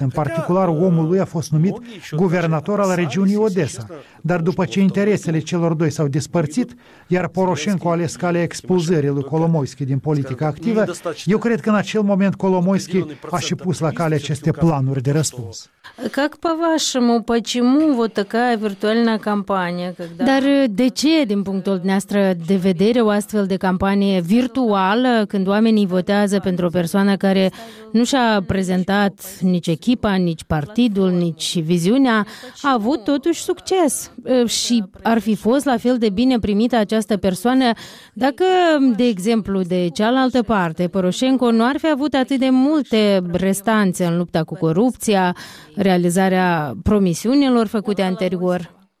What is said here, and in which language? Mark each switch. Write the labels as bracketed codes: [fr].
[ro] În particular, omul lui a fost numit guvernator al regiunii Odessa. Dar după ce interesele celor doi s-au despărțit, iar Poroshenko a ales calea expulzării lui Kolomoisky din politica activă, eu cred că în acel moment Kolomoisky a și pus la cale aceste planuri de răspuns. [ru] Как по-вашему, почему вот такая виртуальная кампания? [ro] Dar de ce, din punctul dumneavoastră de vedere, o astfel de campanie virtuală, când oamenii votează pentru o persoană care nu și-a prezentat nici echipa, nici partidul, nici viziunea, a avut totuși succes? Și ar fi fost la fel de bine primită această persoană dacă, de exemplu, de cealaltă parte, Poroshenko nu ar fi avut atât de multe restanțe în lupta cu corupția, realizarea promisiunilor făcute anterior.